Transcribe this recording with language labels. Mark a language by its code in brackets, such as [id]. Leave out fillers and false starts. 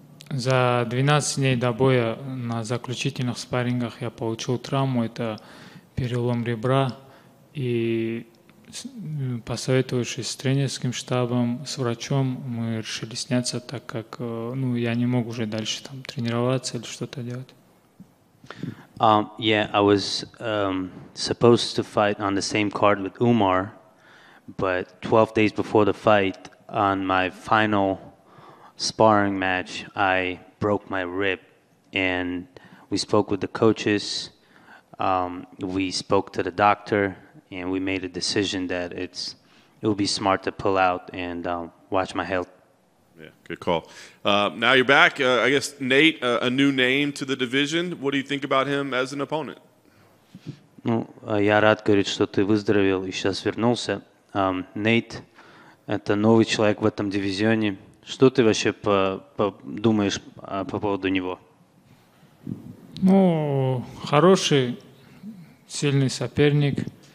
[ru] За 12 дней до боя на заключительных спаррингах я получил травму, это перелом ребра, и... Посоветовавшись с тренерским штабом, с врачом, мы решили сняться, так как ну, я не мог уже дальше там тренироваться или что-то делать. [en] Yeah, I was supposed to fight on the same card with Umar, but 12 days before the fight, on my final sparring match, I broke my rib, and we spoke with the coaches, we spoke to the doctor, and we made a decision that it would be smart to pull out and watch my health. Yeah, good call. Now you're back. I guess Nate, a new name to the division. What do you think about him as an opponent? [ru] Ну, я рад говорить, что ты выздоровел и сейчас вернулся. Нейт, это новый человек в этом дивизионе. Что ты вообще думаешь по поводу него? Ну, хороший, сильный соперник.